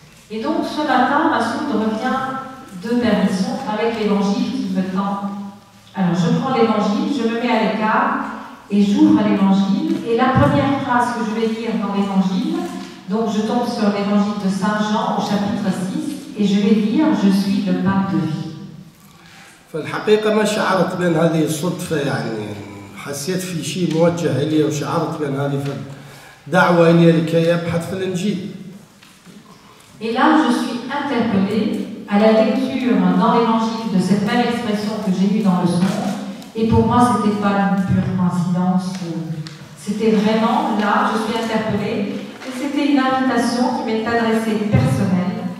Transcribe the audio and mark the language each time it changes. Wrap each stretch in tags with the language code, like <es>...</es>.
<fr>Et donc ce matin, Masoud revient de permission avec l'Évangile qui me tend. Alors je prends l'Évangile, je me mets à l'écart et j'ouvre l'Évangile et la première phrase que je vais lire dans l'Évangile, donc je tombe sur l'Évangile de Saint Jean au chapitre 6. Et je vais dire, je suis le pain de vie.</fr> <ar>فالحقيقة ما شعرت بين هذه الصدفة يعني حسيت في شيء موجه إلي وشعرت بين هذه الدعوة إلي لكي أبحث في الإنجيل.</ar> <fr>Et là, je suis interpellée à la lecture dans l'Évangile de cette même expression que j'ai eue dans le son. Et pour moi, c'était pas une pure coïncidence. C'était vraiment là, je suis interpellée. Et c'était une invitation qui m'est adressée personnellement.</fr>